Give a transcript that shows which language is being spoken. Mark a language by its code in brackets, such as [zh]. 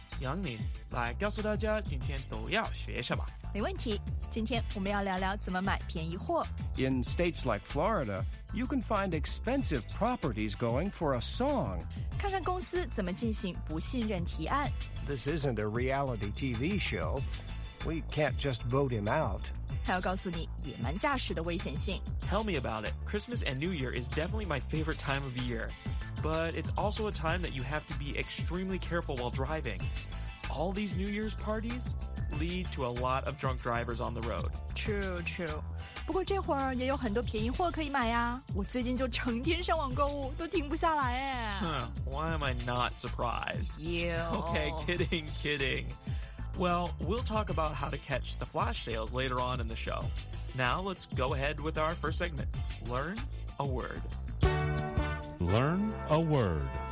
[zh] 杨林，来告诉大家今天都要学什么。没问题，今天我们要聊聊怎么买便宜货。 [en] In states like Florida, you can find expensive properties going for a song. [zh] 看看公司怎么进行不信任提案。 [en] This isn't a reality TV show. We can't just vote him out. [zh] 还要告诉你野蛮驾驶的危险性。 [en] Tell me about it. Christmas and New Year is definitely my favorite time of year. But it's also a time that you have to be extremely careful while driving. All these New Year's parties lead to a lot of drunk drivers on the road. True, true. [zh] 不过这会儿也有很多便宜货可以买呀。我最近就成天上网购物，都停不下来耶。 [en] Why am I not surprised? Ew. Okay, kidding, kidding. Well, we'll talk about how to catch the flash sales later on in the show. Now, let's go ahead with our first segment. Learn a word. Learn a word.